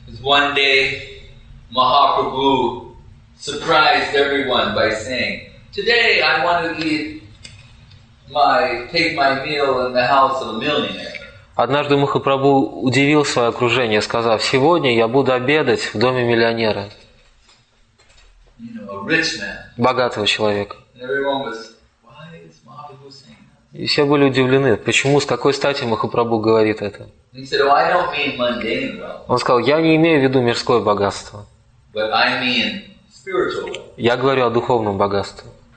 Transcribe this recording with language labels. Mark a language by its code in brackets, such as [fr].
[en] One day Mahaprabhu surprised everyone by saying, today I want to take my meal in the house of a millionaire. [ru] Однажды Махапрабху удивил свое окружение, сказав, сегодня я буду обедать в доме миллионера. [en] You know, a rich man. [ru] Богатого человека. [en] And everyone was, why is Mahaprabhu saying that? [ru] И все были удивлены, почему, с какой стати Махапрабху говорит это. [en] He said, oh, I don't mean mundane wealth. [ru] Он сказал, я не имею в виду мирское богатство. [en] But I mean [ru] Я говорю о духовном богатстве.